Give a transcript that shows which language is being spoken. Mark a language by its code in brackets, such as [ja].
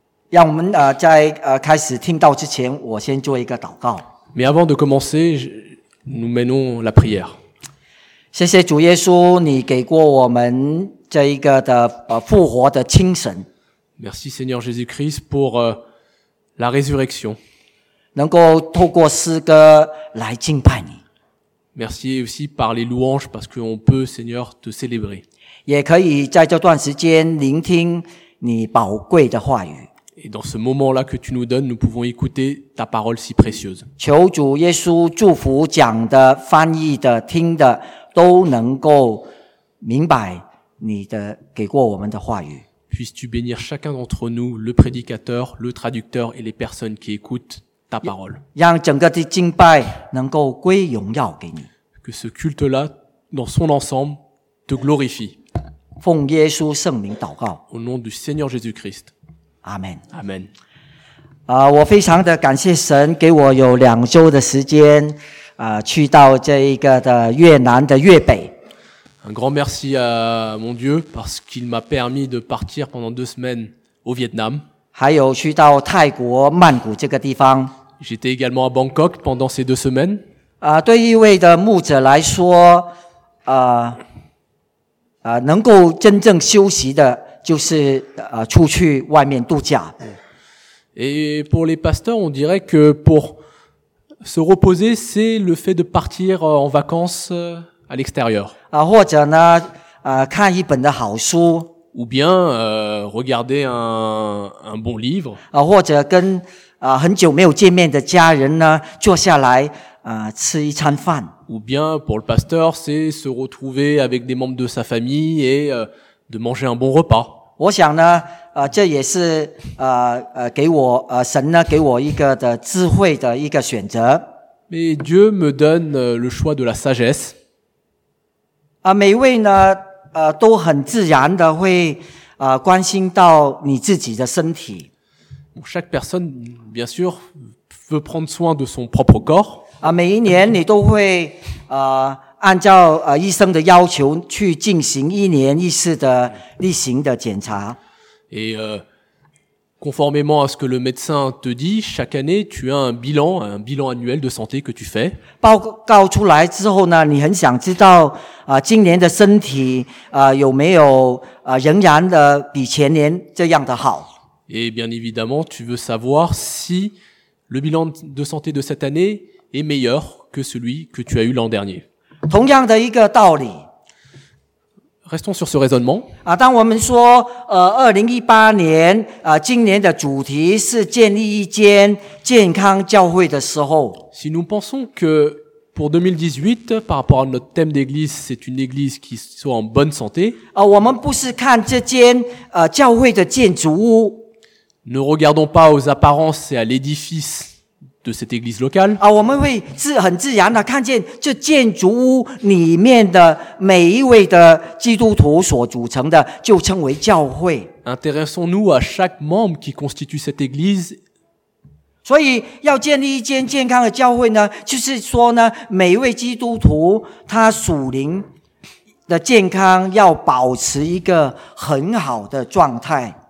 [zh] 让我们在开始听到之前，我先做一个祷告。 [fr] Mais avant de commencer, nous menons la prière. [zh] 谢谢主耶稣，你给过我们这一个的复活的亲神。 [fr] Merci Seigneur Jésus-Christ pour la résurrection. [zh] 能够透过诗歌来敬拜你。 [fr] Merci aussi par les louanges parce qu'on peut, Seigneur, te célébrer. [zh] 也可以在这段时间聆听你宝贵的话语。 [fr] Et dans ce moment-là que tu nous donnes, nous pouvons écouter ta parole si précieuse. [zh] 求主耶稣祝福讲的、翻译的、听的都能够明白你的给过我们的话语。 [fr] Puisses-tu bénir chacun d'entre nous, le prédicateur, le traducteur et les personnes qui écoutent ta parole. [zh] 让整个的敬拜能够归荣耀给你。 [fr] Que ce culte-là, dans son ensemble, te glorifie. [zh] 奉耶稣圣名祷告。 [fr] Au nom du Seigneur Jésus-Christ. Amen. Amen. [zh] 我非常的感谢神给我有两周的时间，去到这一个的越南的越北。 [fr] Un grand merci à mon Dieu parce qu'il m'a permis de partir pendant deux semaines au Vietnam. [zh] 还有去到泰国曼谷这个地方。 [fr] J'étais également à Bangkok pendant ces deux semaines. [zh] 对一位的牧者来说，能够真正休息的。就是出去外面度假。 [fr] Et pour les pasteurs, on dirait que pour se reposer, c'est le fait de partir en vacances à l'extérieur. [zh] 或者呢，看一本的好书。 [fr] Ou bien regarder un bon livre. [zh] 或者跟很久没有见面的家人呢，坐下来吃一餐饭。 [fr] Ou bien pour le pasteur, c'est se retrouver avec des membres de sa famille et de manger un bon repas. [zh] 我想呢，这也是给我神呢给我一个的智慧的一个选择。 [fr] Mais Dieu me donne le choix de la sagesse. [zh] 每一位呢，都很自然的会关心到你自己的身体。 [fr] Chaque personne, bien sûr, veut prendre soin de son propre corps. [zh] 每一年你都会按照医生的要求去进行一年一次的例行的检查。 [fr] Et conformément à ce que le médecin te dit, chaque année, tu as un bilan annuel de santé que tu fais. [zh] 报告出来之后呢，你很想知道今年的身体有没有仍然的比前年这样的好。 [fr] Et bien évidemment, tu veux savoir si le bilan de santé de cette année est meilleur que celui que tu as eu l'an dernier. [zh] 同样的一个道理。 [fr] Restons sur ce raisonnement. [zh] 当我们说2018年今年的主题是建立一间健康教会的时候。 [fr] Si nous pensons que pour 2018, par rapport à notre thème d'église, c'est une église qui soit en bonne santé. [zh] 我们不是看这间教会的建筑物。 [fr] Ne regardons pas aux apparences et à l'édifice. De cette église locale. [zh] 我们会很自然的看见这建筑物里面的每一位的基督徒所组成的就称为教会。 [fr] Intéressons-nous à chaque membre qui constitue cette église. [zh] 所以要建立一间健康的教会呢，就是说呢，每一位基督徒他属灵的健康要保持一个很好的状态。